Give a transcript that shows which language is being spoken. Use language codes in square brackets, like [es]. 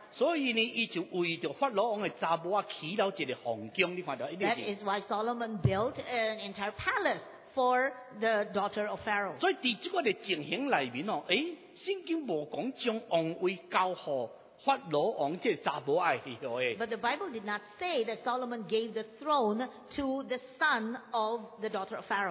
[nan] 所以呢，伊就为着法老王的查某啊，起了一个皇宫。你看到？ [en] That is why Solomon built an entire palace for the daughter of Pharaoh. [nan] 所以伫这个情形里面哦，哎，圣经无讲将王位交予。 [en] But the Bible did not say that Solomon gave the throne to the son of the daughter of Pharaoh.